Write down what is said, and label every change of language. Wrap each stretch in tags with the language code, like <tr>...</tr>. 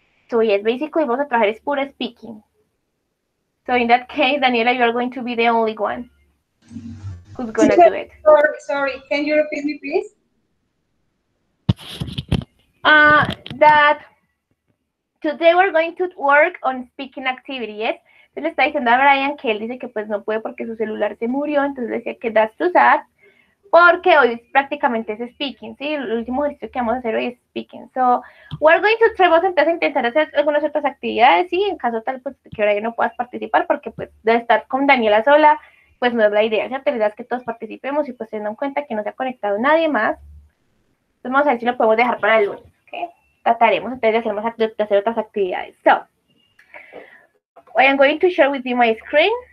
<en>So yes, basically</en> <es>vamos a trabajar es pura</es> <en>speaking. So in that case, Daniela, you are going to be the only one who's going to do it. Sorry, can you repeat me, please? That today we're going to work on speaking activity, yes?</en> <es>Se le está diciendo a Brian que él dice que pues no puede porque su celular se murió, entonces le decía que das tu sad, porque hoy es prácticamente es speaking, ¿sí? El último ejercicio que vamos a hacer hoy es speaking.</es> <en>So, we're going to try,</en> <es>vamos a empezar a intentar hacer algunas otras actividades, ¿sí? En caso tal, pues, que Brian no puedas participar porque, pues, de estar con Daniela sola, pues, no es la idea, ¿sí? La idea es que todos participemos y, pues, teniendo en cuenta que no se ha conectado nadie más, entonces vamos a ver si lo podemos dejar para el lunes, ¿ok? Trataremos entonces de hacer otras actividades.</es> <en>So, I am going to share with you my screen.</en>